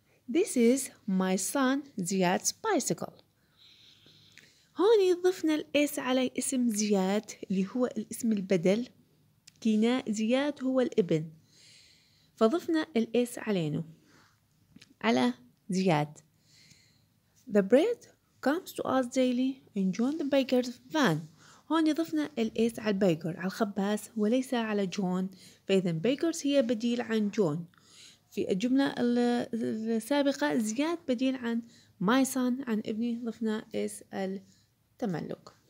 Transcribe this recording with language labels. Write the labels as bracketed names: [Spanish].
[English] This is my son Ziad's bicycle. [Arabic] هوني ضفنا الإس على اسم زياد اللي هو الاسم البدل، كنا زياد هو الابن، فضفنا الإس علينه على زياد. [English] The bread comes to us daily in John the Baker's van. [Arabic] هوني ضفنا الإس على البيكر، على الخباز وليس على جون، فإذا بيكرز هي بديل عن جون. في الجملة السابقة زياد بديل عن [English] my son [Arabic] عن ابني ضفنا is التملك.